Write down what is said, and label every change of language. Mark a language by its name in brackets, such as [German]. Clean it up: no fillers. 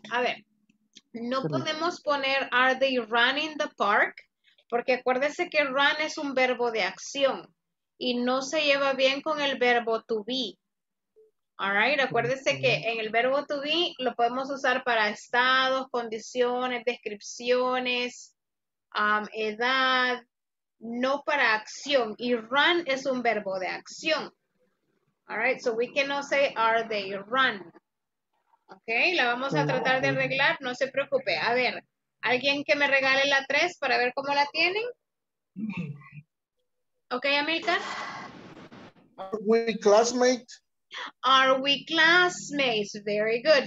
[Spanish] A ver, no podemos poner [English] are they running the park, [Spanish] porque acuérdese que run es un verbo de acción y no se lleva bien con el verbo to be. [English] All right, [Spanish] acuérdese que en el verbo to be lo podemos usar para estados, condiciones, descripciones, edad, no para acción. Y run es un verbo de acción. [English] All right, so we cannot say, are they run? [Spanish] Okay, la vamos a tratar de arreglar, no se preocupe. A ver, ¿alguien que me regale la 3 para ver cómo la tienen? [English] Okay, Amilcar. Are we classmates? Are we classmates? Very good.